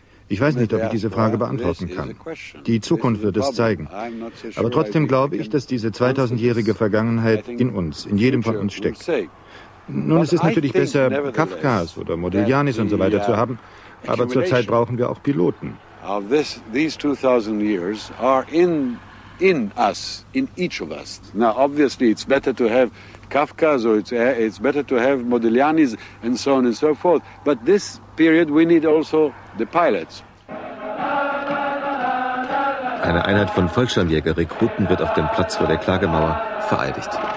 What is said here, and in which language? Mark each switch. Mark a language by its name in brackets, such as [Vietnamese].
[German] Ich weiß nicht, ob ich diese Frage beantworten kann. Die Zukunft wird es zeigen. Aber trotzdem glaube ich, dass diese 2000-jährige Vergangenheit in uns, in jedem von uns steckt. Nun, es ist natürlich besser, Kafkas oder Modiglianis und so weiter zu haben, aber zurzeit brauchen wir auch Piloten. [English] These 2000 years are in us, in each of us. Now, obviously, it's better to have Kafka, so it's better to have Modiglianis and so on and so forth. But this period, we need also the pilots. [German] Eine Einheit von Fallschirmjäger-Rekruten wird auf dem Platz vor der Klagemauer vereidigt.